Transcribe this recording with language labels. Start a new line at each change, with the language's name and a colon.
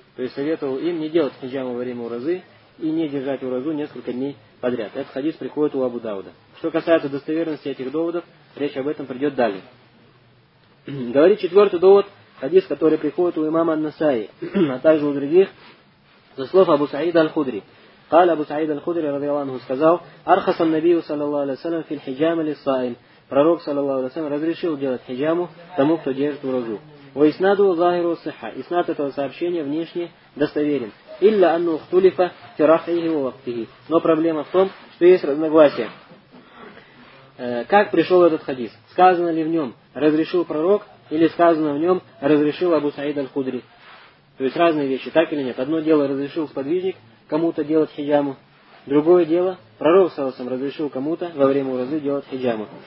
Russian: То есть советовал им не делать хиджаму во время уразы и не держать уразу несколько дней подряд. Этот хадис приходит у Абу Дауда. Что касается достоверности этих доводов, речь об этом придет далее. Говорит четвертый довод, хадис, который приходит у имама ан-Насаи, а также у других, со слов Абу Саида аль-Худри.
Arabic: قال أبو سعيد الخدري رضي الله عنه
Russian: сказал
Arabic: أرخص النبي صلى الله عليه وسلم في الحجامة للصائم
Russian: пророк
Arabic: صلى الله عليه وسلم
Russian: разрешил делать хиджаму тому, кто держит уразу.
Arabic: وإسناده ظاهر الصحة.
Russian: إسناد этого сообщения внешне достоверен.
Arabic: إلا أنه اختلف في رفعه ووقته.
Russian: Но проблема в том, что есть разногласия. Как пришел этот хадис? Сказано ли в нем разрешил пророк или сказано в нем разрешил Абу Саид аль-Худри? То есть разные вещи, так или нет? Одно дело разрешил сподвижник кому-то делать хиджаму. Другое дело, пророк саласам разрешил кому-то во время уразы делать хиджаму.